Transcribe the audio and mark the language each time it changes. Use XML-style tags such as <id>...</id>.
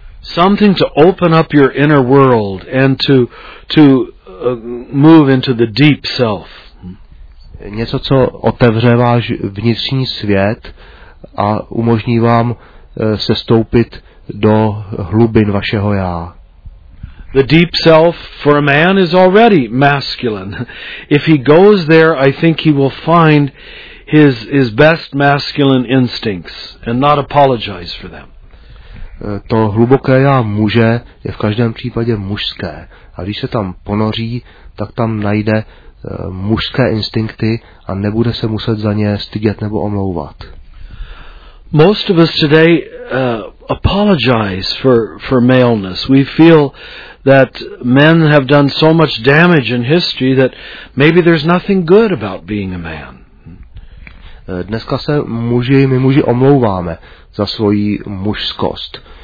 <en>Something to open up your inner world and to move into the deep self.</en> <cs>Něco, co otevře váš vnitřní svět a umožní vám sestoupit do hlubin vašeho já.</cs> <en>The deep self for a man is already masculine. If he goes there, I think he will find his best masculine instincts and not apologize for them.</en> <cs>To hluboké já muže je v každém případě mužské. A když se tam ponoří, tak tam najde mužské instinkty a nebude se muset za ně stydět nebo omlouvat.</cs> <en>Most of us today apologize for maleness. We feel that men have done so much damage in history that maybe there's nothing good about being a man.</en> <cs>Dneska se my muži omlouváme za svoji mužskost.</cs>